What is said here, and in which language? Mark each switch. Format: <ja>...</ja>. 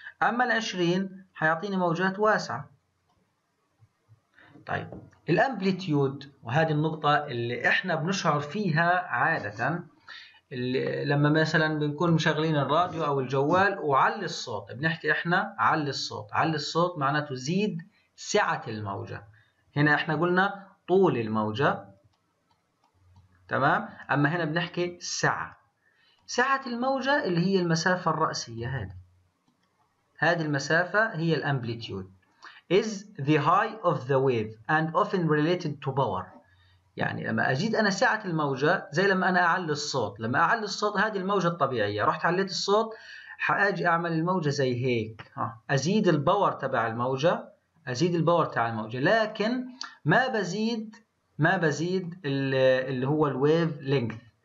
<ar>أما ال 20 حيعطيني موجات واسعة. طيب الامبليتيود، وهذه النقطة اللي احنا بنشعر فيها عادة لما مثلا بنكون مشغلين الراديو او الجوال وعلي الصوت، بنحكي احنا علي الصوت، علي الصوت معناته زيد سعة الموجة. هنا احنا قلنا طول الموجة، تمام، اما هنا بنحكي سعة، سعة الموجة اللي هي المسافة الرأسية، هذه المسافة هي الامبليتيود.</ar> <en>is the height of the wave and often related to power.</en> <ar>يعني لما أزيد أنا سعة الموجة، زي لما أنا أعلي الصوت، لما أعلي الصوت هذه الموجة الطبيعية، رحت عليت الصوت حأجي أعمل الموجة زي هيك، أزيد الباور تبع الموجة، أزيد الباور تبع الموجة، لكن ما بزيد اللي هو الويف لينث.</ar>